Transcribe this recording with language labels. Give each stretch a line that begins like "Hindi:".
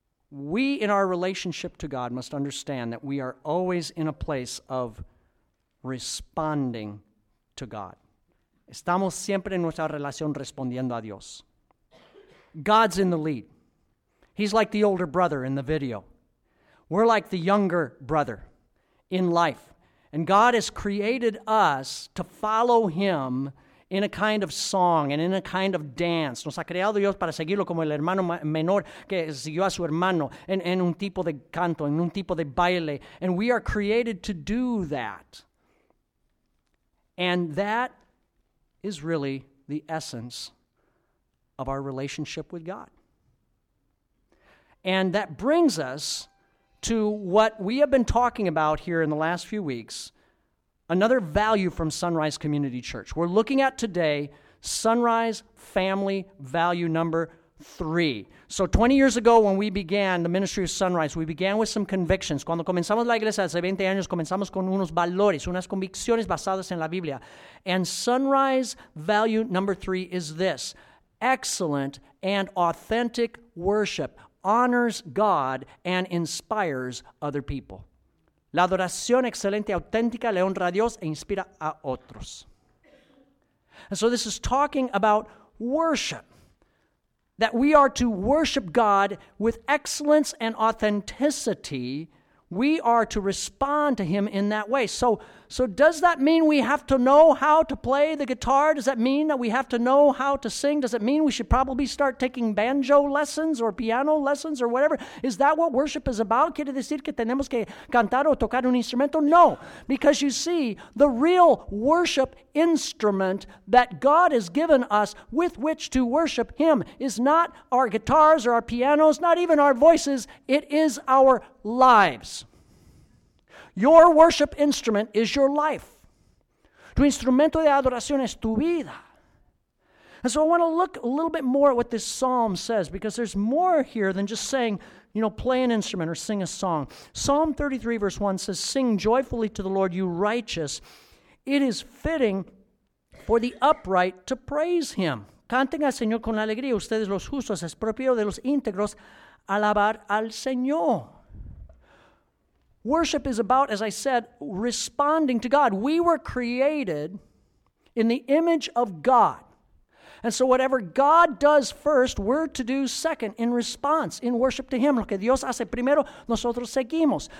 English: We, in our relationship to God, must understand that we are always in a place of responding to God.
Spanish: Estamos siempre en nuestra relación respondiendo a Dios.
English: God's in the lead. He's like the older brother in the video. We're like the younger brother in life. And God has created us to follow him in a kind of song and in a kind of dance.
Spanish: Nos ha creado Dios para seguirlo como el hermano menor que siguió a su hermano en un tipo de canto, en un tipo de baile.
English: And we are created to do that. And that is really the essence of our relationship with God. And that brings us to what we have been talking about here in the last few weeks, another value from Sunrise Community Church. We're looking at today Sunrise Family Value Number 3. So 20 years ago when we began the ministry of Sunrise, we began with some convictions.
Spanish: Cuando comenzamos la iglesia hace 20 años, comenzamos con unos valores, unas convicciones basadas en la Biblia.
English: And Sunrise Value Number 3 is this: excellent and authentic worship honors God and inspires other people.
Spanish: La adoración excelente, auténtica, le honra a Dios e inspira a otros.
English: And so this is talking about worship. That we are to worship God with excellence and authenticity. We are to respond to him in that way. So does that mean we have to know how to play the guitar? Does that mean that we have to know how to sing? Does it mean we should probably start taking banjo lessons or piano lessons or whatever? Is that what worship is about?
Spanish: ¿Quiere decir que tenemos que cantar o tocar un instrumento?
English: No, because you see, the real worship instrument that God has given us with which to worship him is not our guitars or our pianos, not even our voices. It is our lives. Your worship instrument is your life.
Spanish: Tu instrumento de adoración es tu vida.
English: And so I want to look a little bit more at what this psalm says, because there's more here than just saying, you know, play an instrument or sing a song. Psalm 33, verse 1 says, "Sing joyfully to the Lord, you righteous. It is fitting for the upright to praise him."
Spanish: Canten al Señor con alegría, ustedes los justos. Es propio de los íntegros alabar al Señor.
English: Worship is about, as I said, responding to God. We were created in the image of God. And so whatever God does first, we're to do second in response, in worship to him.
Spanish: Lo que Dios hace primero, nosotros seguimos.